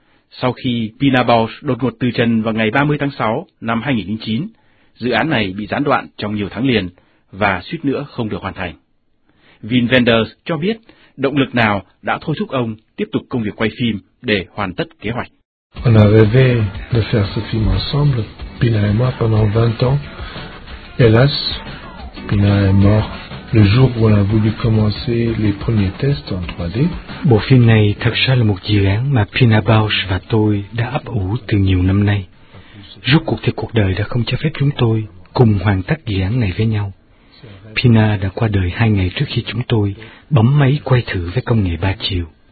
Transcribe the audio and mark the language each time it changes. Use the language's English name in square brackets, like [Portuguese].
[Vietnamese] Sau khi Pina Bausch đột ngột từ trần vào ngày 30 tháng 6 năm 2009, dự án này bị gián đoạn trong nhiều tháng liền và suýt nữa không được hoàn thành. Wim Wenders cho biết động lực nào đã thôi thúc ông tiếp tục công việc quay phim để hoàn tất kế hoạch. [French] On a rêvé de faire ce film ensemble, Pina et moi, pendant 20 ans. Hélas, Pina est mort le jour où on a voulu commencer les premiers tests en 3D. [Vietnamese] Bộ phim này thực ra là một dự án mà Pina Bausch và tôi đã ấp ủ từ nhiều năm nay. Rốt cuộc thì cuộc đời đã không cho phép chúng tôi cùng hoàn tất dự án này với nhau. Pina đã qua đời 2 ngày trước khi chúng tôi bấm máy quay thử với công nghệ 3 chiều.